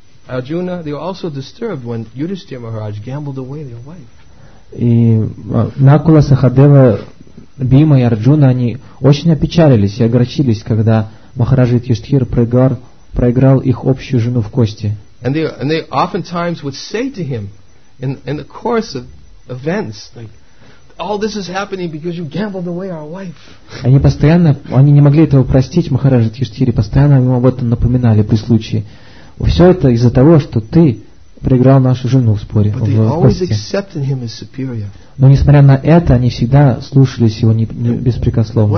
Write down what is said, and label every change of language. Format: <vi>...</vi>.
<en>Arjuna, they were also disturbed when Yudhishthira Maharaj gambled away their wife.</en> <ru>И Накула, Сахадева, Бима и Арджуна, они очень опечалились и огорчились, когда Махараджа Юдхиштхира проиграл их общую жену в кости.</ru> <en>And they oftentimes would say to him in the course of events, like, all this is happening because you gambled away our wife.</en> <ru>Они постоянно, они не могли этого простить Махараджа Юдхиштхире, постоянно ему об этом напоминали при случае. Все это из-за того, что ты проиграл нашу жену в споре. Но несмотря на это, они всегда слушались его беспрекословно.</ru>